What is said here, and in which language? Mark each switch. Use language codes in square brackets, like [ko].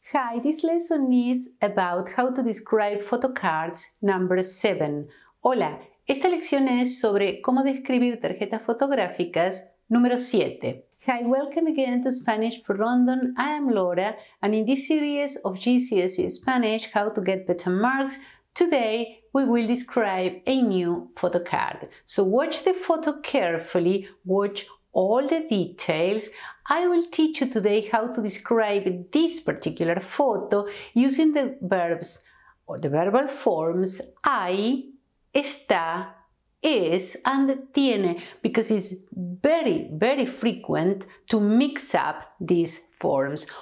[en] Hi, this lesson is about how to describe photocards number 7. [es] Hola, esta lección es sobre cómo describir tarjetas fotográficas número 7. [en] Hi, welcome again to Spanish for London. I am Laura, and in this series of GCSE Spanish, How to Get Better Marks, today we will describe a new photocard. So watch the photo carefully, watch all the details. I will teach you today how to describe this particular photo using the verbs or the verbal forms hay, está, is, and tiene, because it's very, very frequent to mix up these forms.